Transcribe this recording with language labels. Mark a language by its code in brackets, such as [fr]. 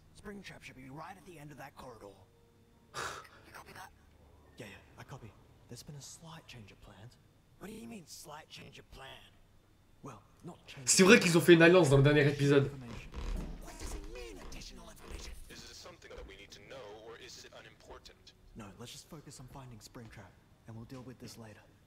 [en] Springtrap should be right at the end of that corridor. You copy that? Yeah, yeah, I copy. There's been a slight change of plans. What do you mean, slight change of plan? Well, not change. [fr] C'est vrai qu'ils ont fait une alliance dans le dernier épisode. [en] What does it mean, additional information? Is it something that we need to know, or is it unimportant? No, let's just focus on finding Springtrap, and we'll deal with this later.